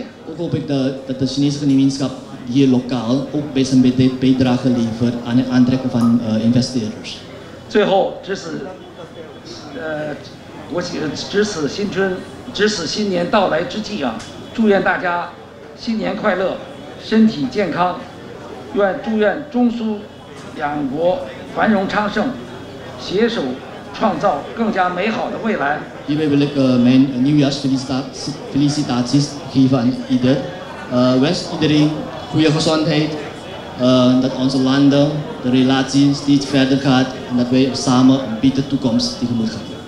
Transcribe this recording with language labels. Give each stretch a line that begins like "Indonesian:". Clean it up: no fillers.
Dutch: Ook hoop ik dat de Chinese gemeenschap hier lokaal ook bij zijn bijdrage levert aan het aantrekken van investeerders.
Chinese: 最后, 这是, 值此新年到来之际啊, 祝愿大家新年快乐, 身体健康, 祝愿中苏两国繁荣昌盛, 携手创造更加美好的未来。
Dutch: Hierbij wil ik mijn nieuwjaarsfelicitaties geven aan ieder. Wens iedereen goede gezondheid, dat onze landen, de relatie steeds verder gaat en dat wij samen een betere toekomst tegemoet gaan.